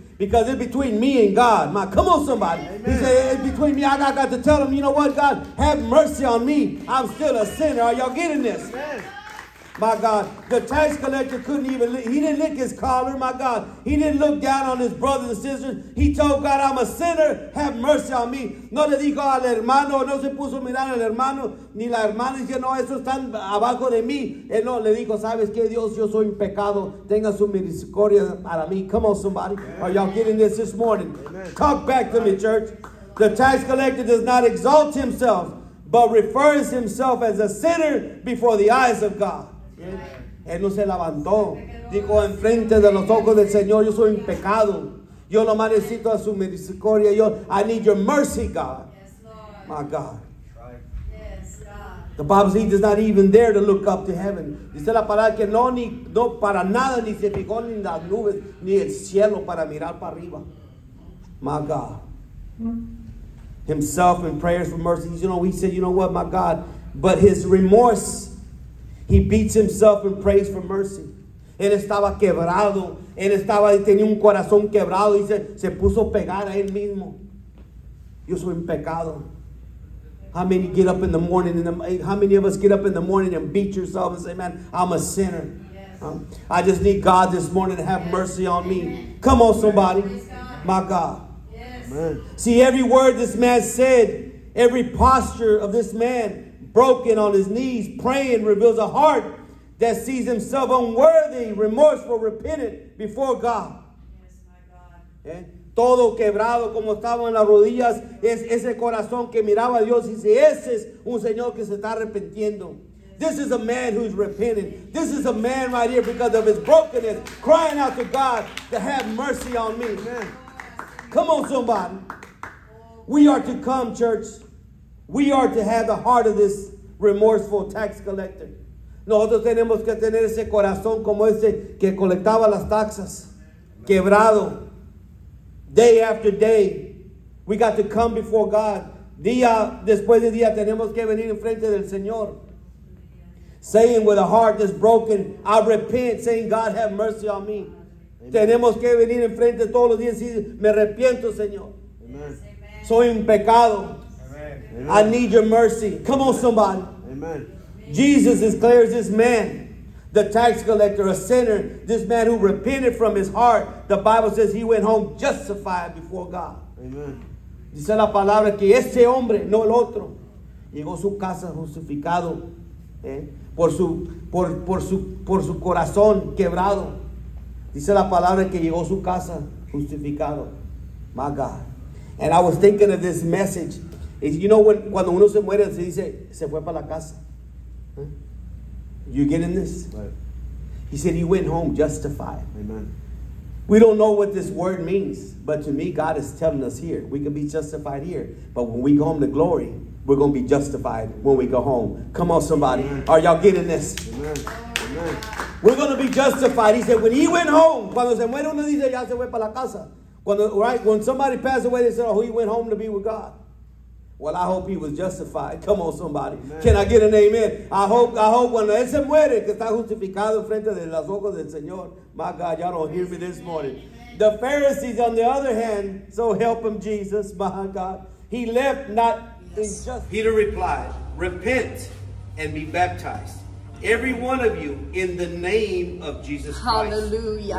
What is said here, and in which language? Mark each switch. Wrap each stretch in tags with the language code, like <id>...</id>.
<en>Because it's between me and God. Come on, somebody. Amen. He said, it's between me. I got to tell him, you know what, God? Have mercy on me. I'm still a sinner. Are y'all getting this? Amen. My God, the tax collector couldn't even, he didn't lick his collar, my God. He didn't look down on his brothers and sisters. He told God, I'm a sinner, have mercy on me.</en> <es>No le dijo al hermano, no se puso a mirar al hermano, ni la hermana, dice, no, eso está abajo de mí. Él no le dijo, ¿sabes qué, Dios? Yo soy un pecado, tenga su misericordia para mí.</es> <en>Come on, somebody. Amen. Are y'all getting this morning? Amen. Talk back to me, church. The tax collector does not exalt himself, but refers himself as a sinner before the eyes of God. Yeah.</en> <es>Él no se levantó. Dijo, enfrente de los ojos del Señor, yo soy un pecado. Yo no necesito a su misericordia. Yo,</es> <en>I need your mercy, God. Yes, Lord. My God. Right. Yes, God. The Bible says he does not even dare to look up to heaven.</en> <es>Dice la palabra que no, ni, no para nada, ni se fijó ni las nubes, ni el cielo para mirar para arriba.</es> <en>My God. Himself in prayers for mercy. You know, he said, you know what, my God. But his remorse. He beats himself and prays for mercy.</en> <es>Él estaba quebrado. Él estaba, tenía un corazón quebrado. Y se puso a pegar a él mismo. Yo soy un pecado.</es> <en>How many get up in the morning? How many of us get up in the morning and beat yourself and say, man, I'm a sinner. Yes. I just need God this morning to have mercy on me. Amen. Come on, somebody. My God. Yes. See, every word this man said, every posture of this man, broken on his knees, praying, reveals a heart that sees himself unworthy, remorseful, repentant before God. Yes, my God.</en> <es>Todo quebrado como estaba en las rodillas, es ese corazón que miraba a Dios y dice, ese es un señor que se está arrepintiendo.</es> <en>This is a man who's repenting. This is a man right here because of his brokenness, crying out to God to have mercy on me. Amen. Come on, somebody. We are to come, church. We are to have the heart of this remorseful tax collector.</en> <es>Nosotros tenemos que tener ese corazón como ese que colectaba las taxas. Quebrado.</es> <en>Day after day, we got to come before God.</en> <es>Día después de día, tenemos que venir en frente del Señor.</es> <en>Saying with a heart that's broken, I repent, saying, God, have mercy on me.</en> <es>Tenemos que venir en frente todos los días y decir, me arrepiento, Señor.</es> <en>Amen.</en> <es>Soy un pecado.</es> <en>I need your mercy. Come on, somebody. Amen. Jesus declares this man, the tax collector, a sinner, this man who repented from his heart. The Bible says he went home justified before God. Amen.</en> <es>Dice la palabra que ese hombre, no el otro, llegó a su casa justificado por su corazón quebrado. Dice la palabra que llegó a su casa justificado.</es> <en>My God. And I was thinking of this message. You know,</en> <es>cuando uno se muere, se dice, se fue para la casa.</es> <en>You getting this? Right. He said he went home justified. Amen. We don't know what this word means, but to me, God is telling us here. We can be justified here, but when we go home to glory, we're going to be justified when we go home. Come on, somebody. Amen. Are y'all getting this? Amen. Amen. We're going to be justified. He said, when he went home,</en> <es>cuando se muere uno dice, ya se fue para la casa.</es> <en>When somebody passed away, they said, oh, he went home to be with God. Well, I hope he was justified. Come on, somebody. Amen. Can I get an amen? I hope</en> <es>cuando él se muere, que está justificado frente de los ojos del Señor.</es> <en>My God, y'all don't hear me this morning. Amen. The Pharisees, on the other hand, so help him, Jesus, my God. He left not in justice. Peter replied, repent and be baptized, every one of you, in the name of Jesus Christ. Hallelujah.</en>